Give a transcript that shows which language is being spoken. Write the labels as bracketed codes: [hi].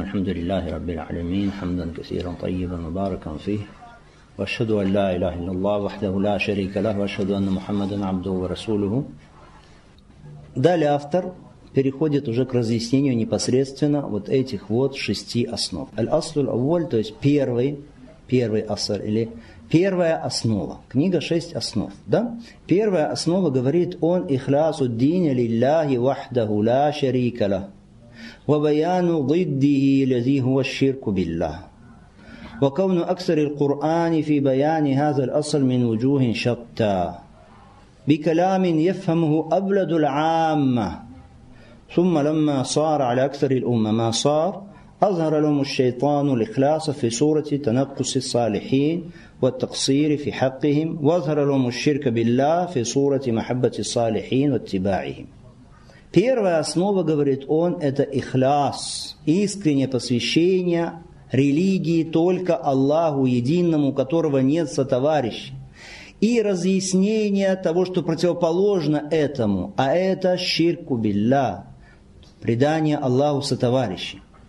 [ar] الحمد لله رب العالمين، حمدا كثيرا طيبا مباركا فيه، وأشهد أن لا إله إلا الله وحده لا شريك له، وأشهد أن محمدا عبده ورسوله. [ru] Далее автор переходит уже к разъяснению непосредственно вот этих вот шести основ. [ar] الأصل الأول، [ru] то есть первый أصل или первая основа. Книга шесть основ, да? Первая основа говорит он [ar] إخلاص الدين لله وحده لا شريك له. وبيان ضده الذي هو الشرك بالله وكون أكثر القرآن في بيان هذا الأصل من وجوه شتى بكلام يفهمه أبلد العامة ثم لما صار على أكثر الأمة ما صار أظهر لهم الشيطان الإخلاص في صورة تنقص الصالحين والتقصير في حقهم وأظهر لهم الشرك بالله في صورة محبة الصالحين واتباعهم. [ru] Первая основа, говорит он, это ихлас, искреннее посвящение религии только Аллаху Единому, у которого нет сотоварищей. И разъяснение того, что противоположно этому, а это ширку билля, предание Аллаху сотоварищей.